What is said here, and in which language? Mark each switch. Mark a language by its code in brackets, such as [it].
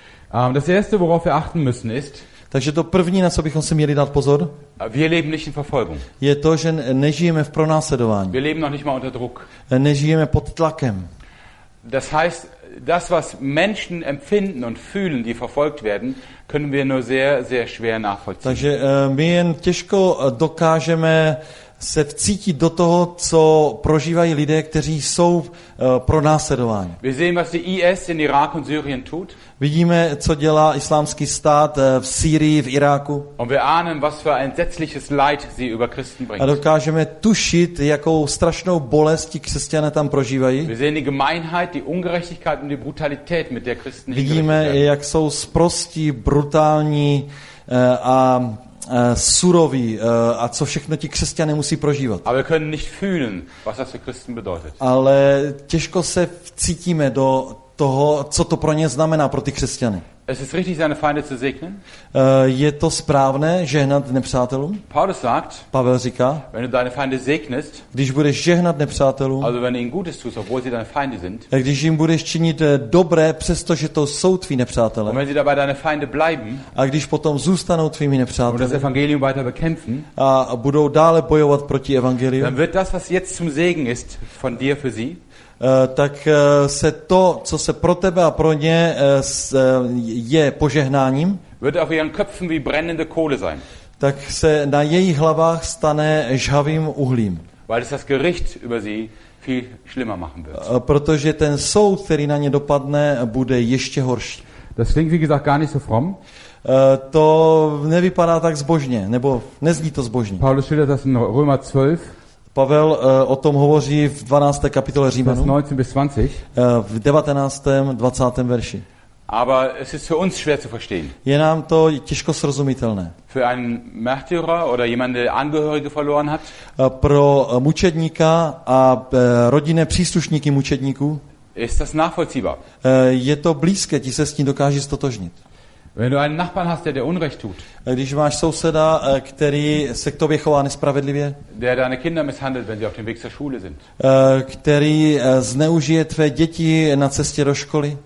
[de] Das erste, worauf wir achten müssen, ist, [cs] takže to první, na co bychom si měli dát pozor, [de] wir leben nicht in Verfolgung. [cs] Je to, že nežijeme v pronásledování. [de] Wir leben noch nicht mal unter Druck. [cs] Nežijeme pod tlakem. [de] Das heißt, das, was Menschen empfinden und fühlen, die verfolgt werden, können wir nur sehr, sehr schwer nachvollziehen. [cs] Takže my jen těžko dokážeme se vcítit do toho, co prožívají lidé, kteří jsou pronásledováni. [de] Wir sehen, was die IS in Irak und Syrien tut. [cs] Vidíme, co dělá Islámský stát v Sýrii, v Iráku. [de] Und wir ahnen, was für ein entsetzliches Leid sie über Christen bringt. [cs] A dokážeme tušit, jakou strašnou bolest ti křesťané tam prožívají. [de] Wir sehen die Gemeinheit, die Ungerechtigkeit und die Brutalität, mit der Christen hingerichtet werden. [cs] Vidíme, jak jsou sprostí, brutální a suroví a co všechno ti křesťané musí prožívat. [de] Aber wir können nicht fühlen, was das für Christen bedeutet. [cs] Ale těžko se vcítíme do toho, co to pro ně znamená, pro ty křesťany. [de] Es ist richtig, seine Feinde zu segnen. [cs] Je to správné žehnat nepřátelům? [de] Paulus sagt, [cs] Pavel říká, [de] wenn du deine Feinde segnest, [cs] když budeš žehnat nepřátelům, [de] also wenn du ihnen Gutes tust, obwohl sie deine Feinde sind, [cs] když jim budeš činit dobré, přestože to jsou tví nepřátelé, [de] und wenn sie dabei deine Feinde bleiben, [cs] a když potom zůstanou tvými nepřáteli, [de] und das Evangelium weiter bekämpfen, [cs] a budou dále bojovat proti evangeliu, [de] dann wird das, was jetzt zum Segen ist, von dir für sie, [cs] tak se to, co se pro tebe a pro ně je požehnáním, [de] wird auf ihren Köpfen wie brennende Kohle sein. [cs] Tak se na jejich hlavách stane žhavým uhlím. [de] Weil es das Gericht über sie viel schlimmer machen wird. [cs] Protože ten soud, který na ně dopadne, bude ještě horší. [de] Das klingt wie gesagt gar nicht so fromm. [cs] To nevypadá tak zbožně, nebo nezní to zbožně. [de] Paulus schildert das in Römer 12. [cs] Pavel o tom hovoří v 12. kapitole Římanů. [de] 19-20. [cs] V 19. 20. verši. [de] Aber es ist für uns schwer zu verstehen. [cs] Je nám to těžko srozumitelné. [de] Für einen Märtyrer oder jemanden, der Angehörige verloren hat. [cs] Pro mučedníka a rodinné příslušníky mučedníků. [de] Ist das nachvollziehbar? [cs] Je to blízké, ti se s tím dokáže stotožnit. [de] Wenn du einen Nachbarn hast, der dir Unrecht tut, [cs] když máš souseda, který se k tobě chová nespravedlivě, [de] der deine Kinder misshandelt, wenn sie auf dem Weg zur Schule sind, [cs] který zneužije tvé děti na cestě do školy,